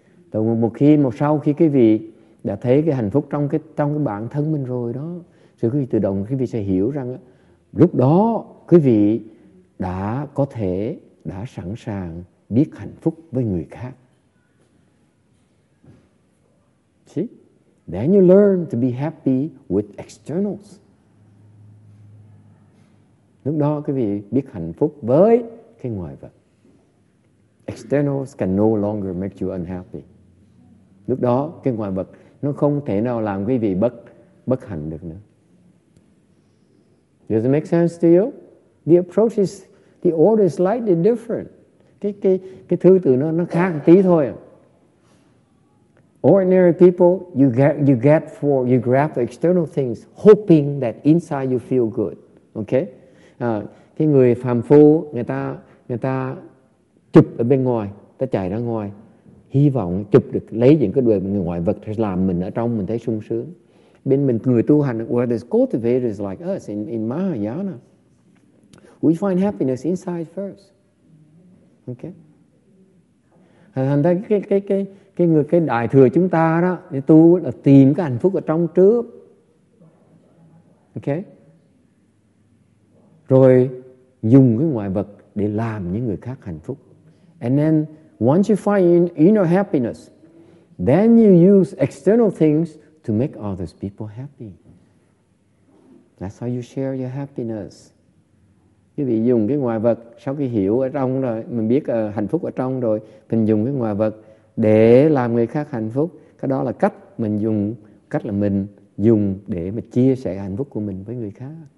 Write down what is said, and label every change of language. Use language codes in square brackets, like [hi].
[vi] Tại một khi mà sau khi quý vị đã thấy cái hạnh phúc trong cái bản thân mình rồi đó, rồi quý vị tự động quý vị sẽ hiểu rằng lúc đó quý vị đã có thể, đã sẵn sàng biết hạnh phúc với người khác. [en] See? Then you learn to be happy with externals. [vi] Lúc đó quý vị biết hạnh phúc với cái ngoại vật. [en] Externals can no longer make you unhappy. [vi] Lúc đó cái ngoại vật nó không thể nào làm quý vị bất hạnh được nữa. [en] Does it make sense to you? The approach is, the order is slightly different. [vi] Cái thứ tự nó khác một tí thôi. [en] Ordinary people, you grab the external things, hoping that inside you feel good. Okay? [vi] Cái người phàm phu, người ta chụp ở bên ngoài, ta chạy ra ngoài, hy vọng chụp được, lấy những cái đồ ngoại vật làm mình ở trong mình thấy sung sướng. Bên mình người tu hành, [en] where the cultivators like us in Mahayana, we find happiness inside first. Okay. [vi] Thành ra cái đại thừa chúng ta đó, để tu là tìm cái hạnh phúc ở trong trước. Okay. Rồi dùng cái ngoại vật để làm những người khác hạnh phúc. [en] And then once you find inner happiness, then you use external things to make other people happy. That's how you share your happiness. [vi] Quý vị dùng cái ngoại vật, sau khi hiểu ở trong rồi, mình biết hạnh phúc ở trong rồi, mình dùng cái ngoại vật để làm người khác hạnh phúc. Cái đó là cách mình dùng, cách là mình dùng để mà chia sẻ hạnh phúc của mình với người khác.